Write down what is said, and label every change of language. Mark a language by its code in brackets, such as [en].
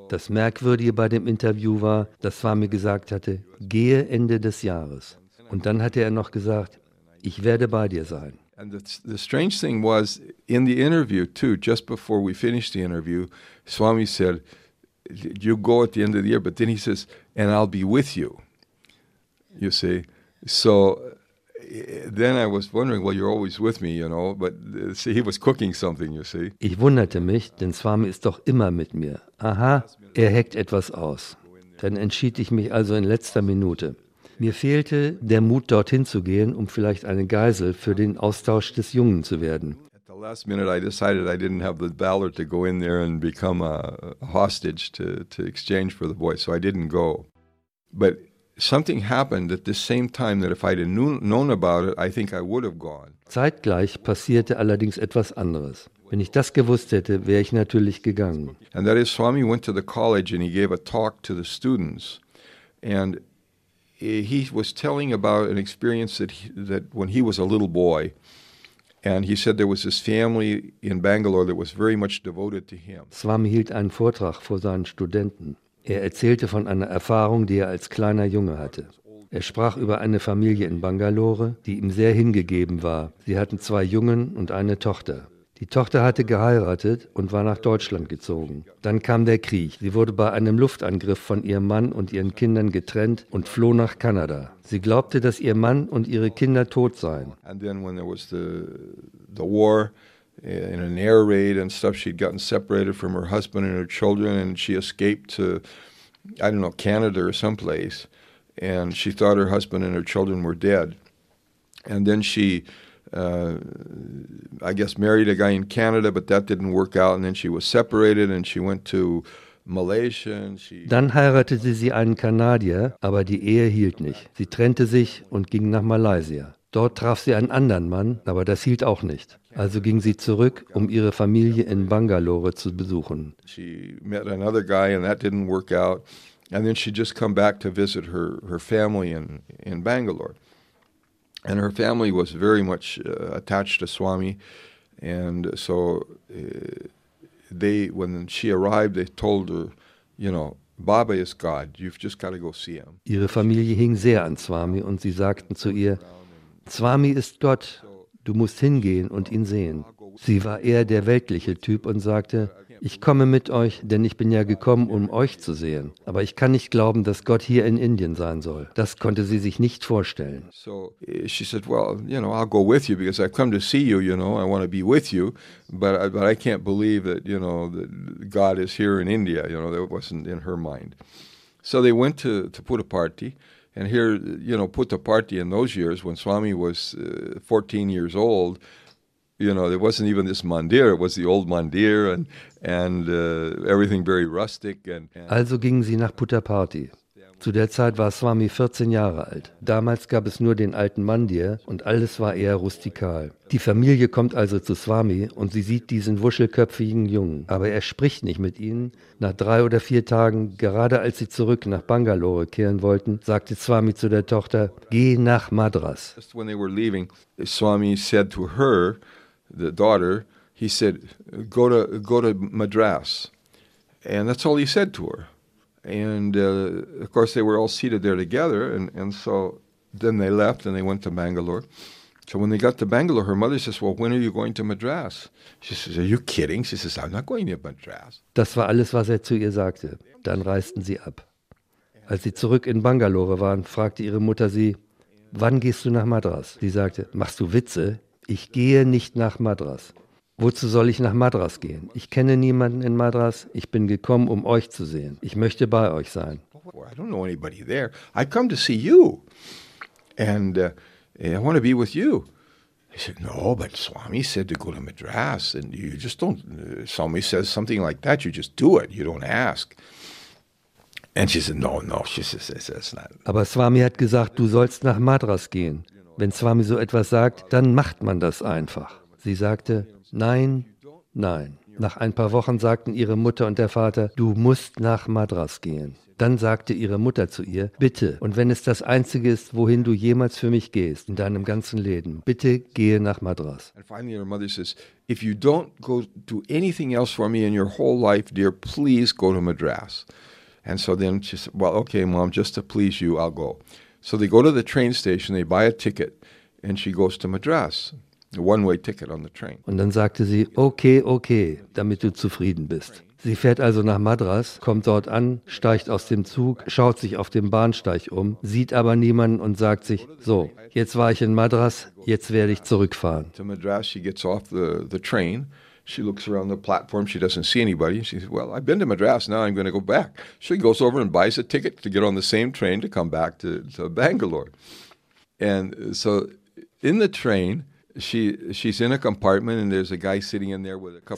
[de] Das Merkwürdige bei dem Interview war, dass Swami gesagt hatte, gehe Ende des Jahres. Und dann hatte er noch gesagt, ich werde bei dir sein. [en] And the strange thing was, in the interview too, just before we finished the interview, Swami said, you go at the end of the year, but then he says, and I'll be with you. You see? So then I was wondering, well, you're always with me, you know, but see, he was cooking something, you see. [de] Ich wunderte mich, denn Swami ist doch immer mit mir. Aha, er hackt etwas aus. Dann entschied ich mich also in letzter Minute. Mir fehlte der Mut, dorthin zu gehen, um vielleicht eine Geisel für den Austausch des Jungen zu werden. [en] At the last minute I decided I didn't have the valor to go in there and become a hostage to exchange for the boy, so I didn't go. But something happened at the same time that if I'd known about it, I think I would have gone. [de] Zeitgleich passierte allerdings etwas anderes. Wenn ich das gewusst hätte, wäre ich natürlich gegangen. [en] And that is, Swami went to the college and he gave a talk to the students. And he was telling about an experience that when he was a little boy, and he said there was this family in Bangalore that was very much devoted to him. [de] Swami hielt einen Vortrag vor seinen Studenten. Er erzählte von einer Erfahrung, die er als kleiner Junge hatte. Er sprach über eine Familie in Bangalore, die ihm sehr hingegeben war. Sie hatten zwei Jungen und eine Tochter. Die Tochter hatte geheiratet und war nach Deutschland gezogen. Dann kam der Krieg. Sie wurde bei einem Luftangriff von ihrem Mann und ihren Kindern getrennt und floh nach Kanada. Sie glaubte, dass ihr Mann und ihre Kinder tot seien. [en] And then when there was the war in an air raid and stuff, she'd gotten separated from her husband and her children and she escaped to, I don't know, Canada or someplace. And she thought her husband and her children were dead. And then she married a guy in Canada, but that didn't work out, and then she was separated and she went to Malaysia and she. [de] Dann heiratete sie einen Kanadier, aber die Ehe hielt nicht. Sie trennte sich und ging nach Malaysia. Dort traf sie einen anderen Mann, aber das hielt auch nicht. Also ging sie zurück, um ihre Familie in Bangalore zu besuchen. [en] She met another guy and that didn't work out, and then she just come back to visit her family in Bangalore. And her family was very much attached to Swami, and so when she arrived, they told her, you know, Baba is God. You've just got to go see him. [de] Ihre Familie hing sehr an Swami, und sie sagten zu ihr, Swami ist Gott. Du musst hingehen und ihn sehen. Sie war eher der weltliche Typ und sagte, ich komme mit euch, denn ich bin ja gekommen, um euch zu sehen. Aber ich kann nicht glauben, dass Gott hier in Indien sein soll. Das konnte sie sich nicht vorstellen. [en] So she said, well, you know, I'll go with you because I've come to see you, you know, I want to be with you, but I can't believe that, you know, that God is here in India, you know, that wasn't in her mind. So they went to put a party. And here, you know, Puttaparthi in those years, when Swami was 14 years old, you know, there wasn't even this mandir, it was the old mandir and everything very rustic. [de] Also gingen sie nach Puttaparthi. Zu der Zeit war Swami 14 Jahre alt. Damals gab es nur den alten Mandir und alles war eher rustikal. Die Familie kommt also zu Swami und sie sieht diesen wuschelköpfigen Jungen. Aber er spricht nicht mit ihnen. Nach 3 oder 4 Tagen, gerade als sie zurück nach Bangalore kehren wollten, sagte Swami zu der Tochter, geh nach Madras. [en] Just when they were leaving, Swami said to her, the daughter, he said, go to Madras. And that's all he said to her. And of course they were all seated there together, and so then they left and they went to Bangalore. So when they got to Bangalore, her mother says, well, when are you going to Madras? She says, are you kidding? She says, I'm not going to Madras. [de] Das war alles, was er zu ihr sagte. Dann reisten sie ab. Als sie zurück in Bangalore waren, fragte ihre Mutter sie, wann gehst du nach Madras? Sie sagte, machst du Witze? Ich gehe nicht nach Madras. Wozu soll ich nach Madras gehen? Ich kenne niemanden in Madras. Ich bin gekommen, um euch zu sehen. Ich möchte bei euch sein. [en] I don't know anybody there. I come to see you. and I want to be with you. He said, no, but Swami said to go to Madras, and you just don't, Swami says something like that, you just do it, you don't ask. And she said, no, she says, that's not. [de] Aber Swami hat gesagt, du sollst nach Madras gehen. Wenn Swami so etwas sagt, dann macht man das einfach. Sie sagte, nein, nein. Nach ein paar Wochen sagten ihre Mutter und der Vater, du musst nach Madras gehen. Dann sagte ihre Mutter zu ihr, bitte, und wenn es das Einzige ist, wohin du jemals für mich gehst, in deinem ganzen Leben, bitte gehe nach Madras. [en] And finally her mother says, if you don't go do anything else for me in your whole life, dear, please go to Madras. And so then she said, well, okay, Mom, just to please you, I'll go. So they go to the train station, they buy a ticket, and she goes to Madras. A one-way ticket on the train. [de] Und dann sagte sie, okay, okay, damit du zufrieden bist. Sie fährt also nach Madras, kommt dort an, steigt aus dem Zug, schaut sich auf dem Bahnsteig um, sieht aber niemanden und sagt sich, so, jetzt war ich in Madras, jetzt werde ich zurückfahren. [en] To Madras, she gets off the train, she looks around the platform, she doesn't see anybody, she says, well, I've been to Madras, now I'm going to go back. She goes over and buys a ticket to get on the same train to come back to Bangalore. And so in the train, She's in a compartment and there's a guy sitting in there with a couple.